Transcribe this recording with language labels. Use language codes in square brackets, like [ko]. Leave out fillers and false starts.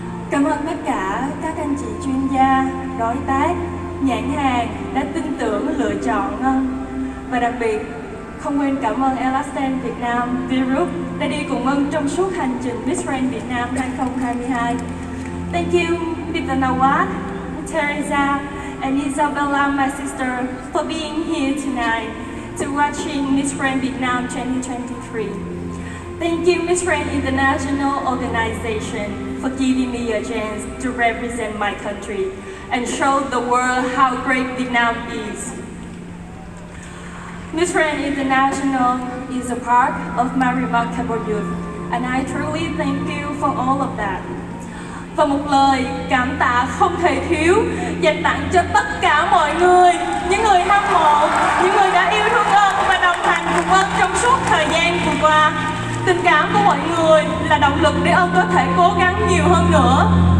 [vi] Cảm ơn tất cả các anh chị chuyên gia, đối tác, nhãn hàng đã tin tưởng lựa chọn Ngân. Và đặc biệt, không quên cảm ơn Elastan Việt Nam, V-Group đã đi cùng Ân trong suốt hành trình Miss Grand Việt Nam 2022. [en] Thank you, Peter Nawat, Teresa, and Isabella, my sister, for being here tonight to watching Miss Grand Vietnam 2023. Thank you, Miss Grand International Organization, for giving me a chance to represent my country and show the world how great Vietnam is. Miss Grand International is a part of my remarkable youth, and I truly thank you for all of that. [vi] Và một lời cảm tạ không thể thiếu dành tặng cho tất cả mọi người, những người hâm mộ, những người đã yêu thương Ân và đồng hành cùng Ân trong suốt thời gian vừa qua. Tình cảm của mọi người là động lực để Ân có thể cố gắng nhiều hơn nữa.